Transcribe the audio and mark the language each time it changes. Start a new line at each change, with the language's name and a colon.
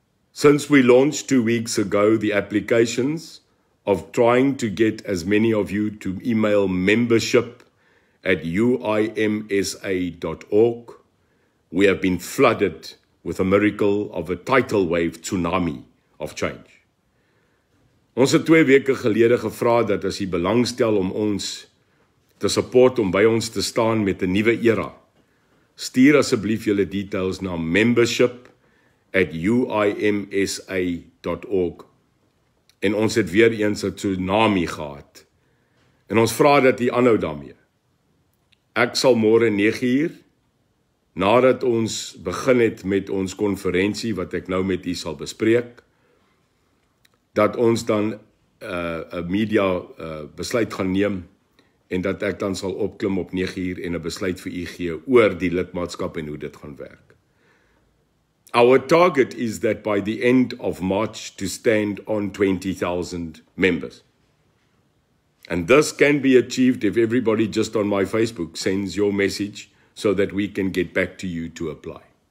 English: Since we launched 2 weeks ago the applications of trying to get as many of you to email membership at UIMSA.org, we have been flooded with a miracle of a tidal wave tsunami of change.
Afrikaans: Ons het 2 weke gelede gevra dat as jy belangstel om ons te support, om by ons te staan met 'n nuwe era, stuur asseblief julle details na membership@UIMSA.org. En ons het weer eens 'n tsunami gehad. En ons vra dat jy aanhou daarmee. Ek sal môre 9:00, nadat ons begin het met ons konferensie wat ek nou met u sal bespreek, dat ons dan 'n media besluit gaan neem, en dat ek dan sal opklim op 9:00 en 'n besluit vir u gee oor die lidmaatskap en hoe dit gaan werk.
English: Our target is that by the end of March to stand on 20,000 members. And this can be achieved if everybody just on my Facebook sends your message so that we can get back to you to apply.